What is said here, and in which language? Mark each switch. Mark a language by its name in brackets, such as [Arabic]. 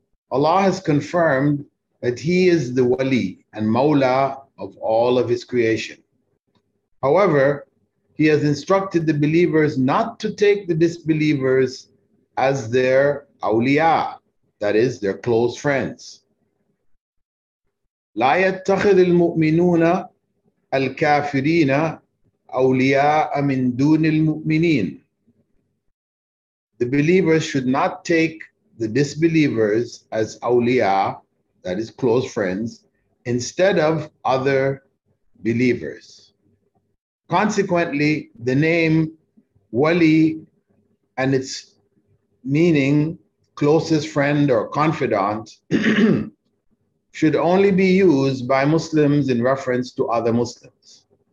[English] Allah has confirmed that He is the Wali and Mawla of all of His creation. However, He has instructed the believers not to take the disbelievers as their awliya, that is, their close friends. [Arabic] لا يتخذ المؤمنون الكافرين أولياء من دون المؤمنين. [English] The believers should not take the disbelievers as awliya, that is, close friends, instead of other believers. Consequently, the name Wali and it's meaning closest friend or confidant should only be used by Muslims in reference to other Muslims.